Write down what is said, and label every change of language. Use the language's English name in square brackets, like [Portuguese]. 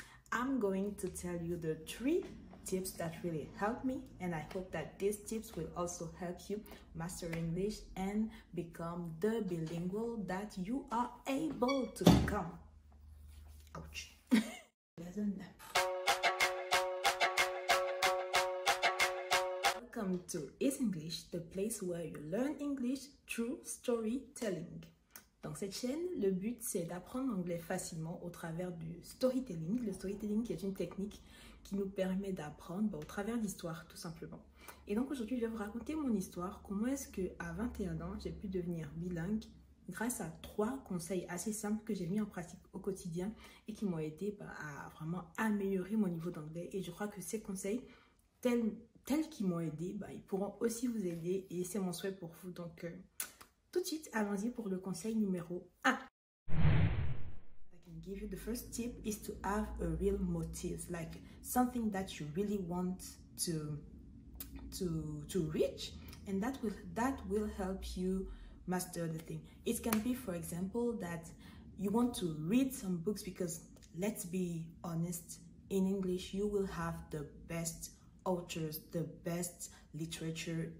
[English] I'm going to tell you the three tips that really helped me, and I hope that these tips will also help you master English and become the bilingual that you are able to become. Ouch. Welcome to It's English, the place where you learn English through storytelling. [French] Dans cette chaîne, le but c'est d'apprendre l'anglais facilement au travers du storytelling. Le storytelling qui est une technique qui nous permet d'apprendre au travers d'histoires tout simplement. Et donc aujourd'hui, je vais vous raconter mon histoire, comment est-ce qu'à 21 ans, j'ai pu devenir bilingue grâce à trois conseils assez simples que j'ai mis en pratique au quotidien et qui m'ont aidé à vraiment améliorer mon niveau d'anglais. Et je crois que ces conseils, tels qu'ils m'ont aidé, ils pourront aussi vous aider, et c'est mon souhait pour vous. Donc tout de suite, allons-y pour le conseil numéro 1. [English] Give you the first tip is to have a real motive, like something that you really want to reach, and that will help you master the thing. It can be, for example, that you want to read some books, because let's be honest, in English you will have the best authors, the best literature.